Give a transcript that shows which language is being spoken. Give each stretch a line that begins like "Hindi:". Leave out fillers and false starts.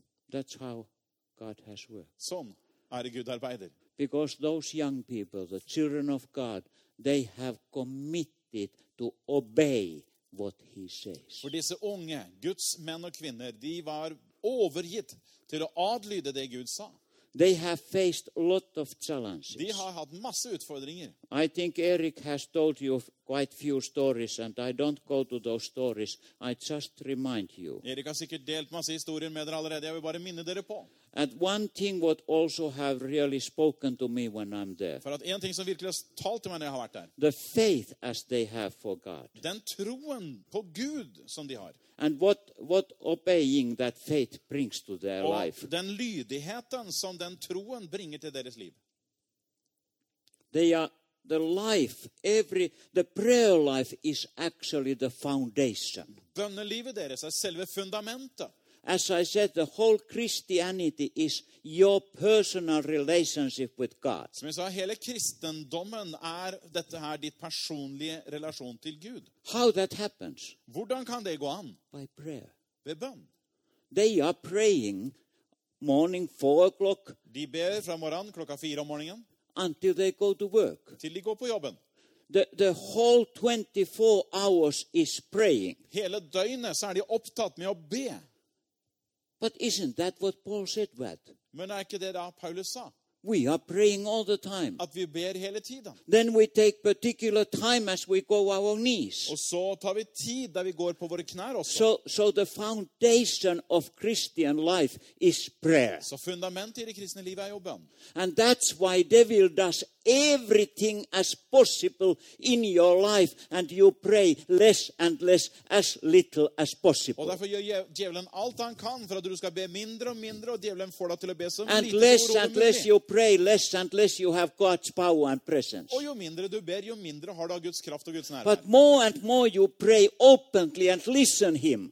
English: That's how God has worked.
Swedish: Sån är Gud arbetar.
English: Because those young people, the children of God, they have committed to obey what he says.
Swedish: För dessa unga Guds män och kvinnor, de var övergivna till att adlyda det Gud sa.
English: They have faced a lot of challenges.
Swedish: De har haft massa utmaningar.
English: I think Eric has told you quite few stories and I don't go to those stories. I just remind you.
Swedish: Erik har säkert delat massa historier med er allerede. Jag vill bara minna er på.
English: And one thing what also have really spoken to me when I'm there.
Swedish: För att en ting som verkligen har talat till mig när jag har varit där.
English: The faith as they have for God.
Swedish: Den troen på Gud som de har.
English: And what obeying that faith brings to their life.
Swedish: Den lydigheten som den troen bringer till deras liv.
English: They are the life, the prayer life is actually the foundation.
Swedish: Bönelivet deras är själva fundamentet.
English: As I said, the whole Christianity is your personal relationship with God.
Swedish: Som jag sa, hela kristendomen är detta här ditt personliga relation till Gud.
English: How that happens?
Norwegian: Hvordan kan det gå an?
English: By prayer.
Swedish: Ved bön.
English: They are praying morning 4 o'clock.
Swedish: De ber från morgon klockan 4 om morgonen.
English: Until they go to work.
Swedish: Till de går på jobben.
English: The whole 24 hours is praying.
Swedish: Hela dygnet så är de upptatt med att be.
English: But isn't that what Paul said? What?
Swedish: Men är inte det då Paulus sa?
English: We are praying all the time.
Swedish: Att vi ber hela tiden.
English: Then we take particular time as we go our knees.
Swedish: Och så tar vi tid där vi går på våra knän också.
English: So the foundation of Christian life is prayer.
Swedish: Så fundamentet i det kristna livet är bön.
English: And that's why devil does everything as possible in your life and you pray less and less, as little as possible.
Swedish: Och därför gör djävulen allt han kan för att du ska be mindre och mindre och djävulen får dig till att be så mycket.
English: And less and less you pray, less and less you have God's power and presence.
Swedish: Och ju mindre du ber, ju mindre har du Guds kraft och Guds närvaro.
English: But more and more you pray openly and listen him.